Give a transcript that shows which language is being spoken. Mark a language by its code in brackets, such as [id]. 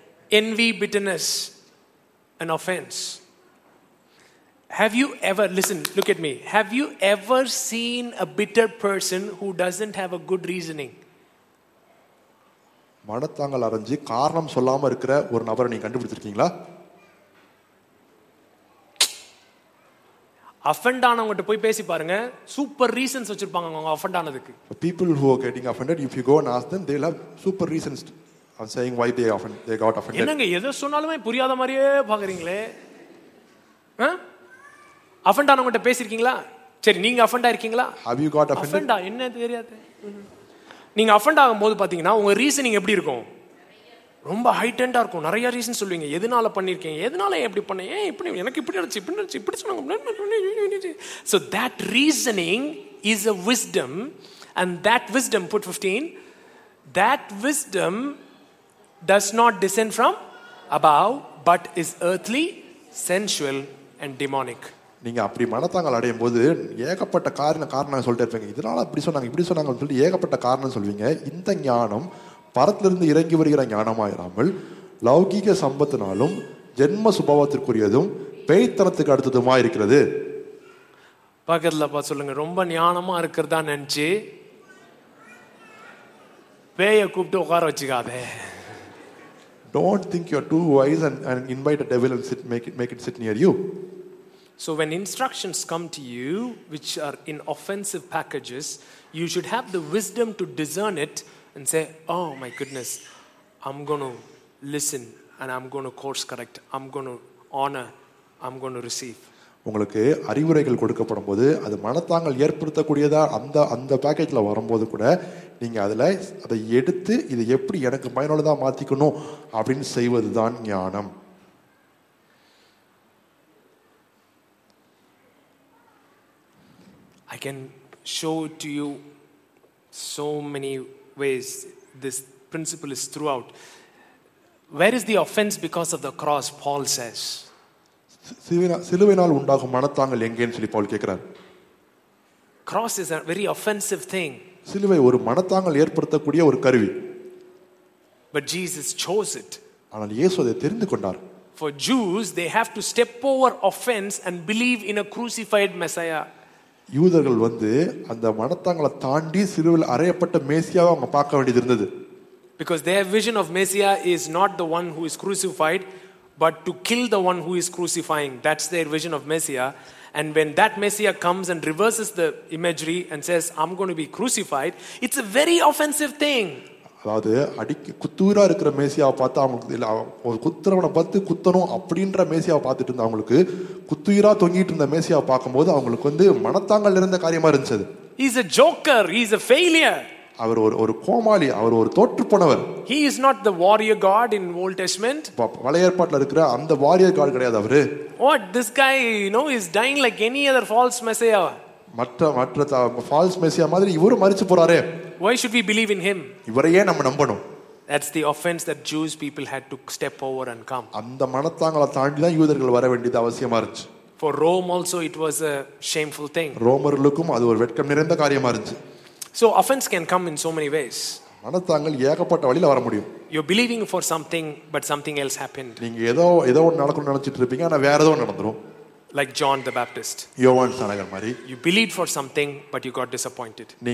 [en] Envy, bitterness, and offense. Have you ever, listen, look at me. Have you ever seen a bitter person who doesn't have a good reasoning? [ta] மனதாங்கள் அரஞ்சி காரணம் சொல்லாம இருக்கிற ஒரு நபரை நீ கண்டுபிடிச்சிருக்கீங்களா? Offend ஆனவங்ககிட்ட போய் பேசி பாருங்க, சூப்பர் ரீசன்ஸ் வச்சிருப்பாங்க அவங்க அஃபெண்ட் ஆனதுக்கு. [en] People who are getting offended, if you go and ask them, they'll have super reasons on saying why they got offended. [ta] என்னங்க எது சொன்னாலுமே புரியாத மாதிரியே பாக்குறீங்களே. அஃபெண்ட் ஆனவங்ககிட்ட பேசிருக்கீங்களா? சரி, நீங்க offend ஆயிருக்கீங்களா? [en] Have you got offended? [ta] அஃபெண்டா என்ன தெரியாது. நீங்க அஃபெண்ட் ஆகும்போது பாத்தீங்கன்னா உங்க ரீசனிங் எப்படி இருக்கும்? ரொம்ப ஹைட்டெண்டா இருக்கும். நிறைய ரீசன் சொல்லுவீங்க, எதனால பண்ணிருக்கேன், எதனால எப்படி பண்ணேன், இப்படி எனக்கு இப்படி நடந்துச்சு, இப்படி நடந்துச்சு, இப்படி சொன்னாங்க. [en] So that reasoning is a wisdom, and that wisdom, put 15, that wisdom does not descend from above but is earthly, sensual and demonic. [ta] நீங்க அப்படி மனதாங்கள் அடையும் போது ஏகப்பட்ட காரணம் சொல்லிட்டு இருப்பீங்க, இதனால அப்படி சொன்னாங்க, இப்படி சொன்னாங்க சொல்லி ஏகப்பட்ட காரணம் சொல்வீங்க. இந்த ஞானம் பரத்திலிருந்து இறங்கி வருகிற ஞானமாயிராமல் லௌகீக சம்பத்தினாலும் ஜென்ம சுபாவத்திற்குரியதும் பேய்த்தனத்துக்கு அடுத்ததுமா இருக்கிறது. பக்கத்துலப்பா சொல்லுங்க, ரொம்ப ஞானமா இருக்கிறதா நினைச்சு பேய கூப்பிட்டு உட்கார வச்சுக்காதே. [en] Don't think you're too wise and invite a devil and sit, make it sit near you. So when instructions come to you which are in offensive packages, you should have the wisdom to discern it and say, oh my goodness, I'm going to listen and I'm going to course correct, I'm going to honor, I'm going to receive. [ta] உங்களுக்கு அறிவுரைகள் கொடுக்கப்படும்போது அது மனதாங்கள் ஏற்படுத்தக்கூடியதா அந்த பேக்கேஜில் வரும்போது கூட நீங்கள் அதை எடுத்து இதை எப்படி எனக்கு பயனுள்ளதாக மாற்றிக்கணும் அப்படின்னு செய்வது தான் ஞானம். [en] I can show to you so many ways this principle is throughout. Where is the offense because of the cross? Paul says, [ta] சிலுவினால் உண்டாகும் மனதாங்கள் எங்கேன்னு சொல்லி பால் கேக்குறார். [en] Cross is a very offensive thing. [ta] சிலுவை ஒரு மனதாங்கள் ஏற்படுத்தக்கூடிய ஒரு கருவி. [en] But Jesus chose it. [ta] ஆனால் இயேசு அதை தெரிந்து கொண்டார். [en] For Jews, they have to step over offense and believe in a crucified Messiah. [ta] யூதர்கள் வந்து அந்த மனதாங்களை தாண்டி சிலுவையில் அறையப்பட்ட மேசியாவை அவங்க பார்க்க வேண்டியது இருந்தது. [en] Because their vision of Messiah is not the one who is crucified, but to kill the one who is crucifying. That's their vision of Messiah. And when that Messiah comes and reverses the imagery and says, I'm going to be crucified, it's a very offensive thing. [ta] அதாவது அடிக்க குத்தூரா இருக்கிற மேசியாவை பார்த்து அவங்களுக்கு இல்ல ஒரு குத்துறவனை பார்த்து குத்தணும் அப்படின்ற மேசியாவை பார்த்துட்டு இருந்த அவங்களுக்கு குத்துயிரா தொங்கிட்டு இருந்த மேசியாவை பார்க்கும் போது அவங்களுக்கு வந்து மனத்தாங்கல் இருந்த காரியமா இருந்துச்சு. [en] He is a joker. He is a failure. [ta] அவர் ஒரு கோமாளி, அவர் ஒரு தோற்று போனவர். [en] He is not the warrior god in Old Testament. [ta] பழைய ஏற்பாட்டில் இருக்கிற அந்த வாரியர் காட் கிடையாது அவரு. [en] What this guy, you know, is dying like any other false messiah. [ta] மற்ற ஃபால்ஸ் மெசியா மாதிரி இவரும் மரிச்சு போறாரே. [en] Why should we believe in him? [ta] இவரையே நம்ம நம்பணும். [en] That's the offense that Jews people had to step over and come. [ta] அந்த மனத்தாங்கல தாண்டி தான் யூதர்கள் வர வேண்டியது அவசியமா இருந்துச்சு. [en] For Rome also it was a shameful thing. [ta] ரோமர்களுக்கும் அது ஒரு வெட்கம் நிறைந்த காரியமா இருந்துச்சு. [en] So offense can come in so many ways. [ta] மனத்தாங்கல் ஏகப்பட்ட வழியில வர முடியும். [en] You're believing for something but something else happened. [ta] நீங்க ஏதோ ஏதோ நடக்கணும் நினைச்சிட்டு இருப்பீங்க ஆனா வேற ஏதோ நடந்துரும். [en] Like John the Baptist. You believed for something, but you got disappointed.